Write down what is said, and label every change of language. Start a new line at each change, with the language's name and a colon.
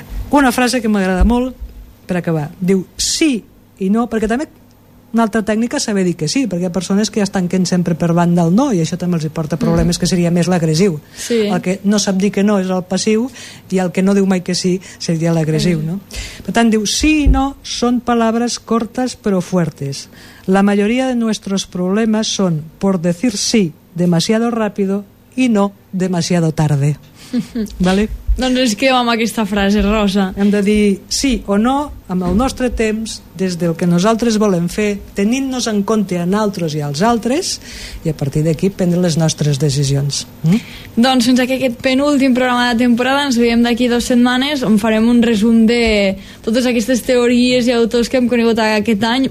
Catalan: Una frase que m'agrada molt, per acabar, diu, sí i no, perquè també una altra tècnica saber dir que sí, perquè hi ha persones que ja es tanquen sempre per banda el no, i això també els porta problemes, que seria més l'agressiu. Sí. El que no sap dir que no és el passiu, i el que no diu mai que sí seria l'agressiu. Sí. No? Per tant, diu, sí i no són paraules cortes però fuertes.
Spanish: La majoria de nuestros problemas son por decir sí demasiado rápido y no demasiado tarde.
Catalan: Vale? Doncs ens quedem amb aquesta frase, Rosa. Hem de dir sí o no amb el nostre temps, des del que nosaltres volem fer, tenint-nos en compte a nosaltres i als altres, i a partir d'aquí prendre les nostres decisions. Doncs fins aquí aquest penúltim programa de temporada, ens veiem d'aquí 2 setmanes, on farem un resum de totes aquestes teories i autors que hem conegut aquest any.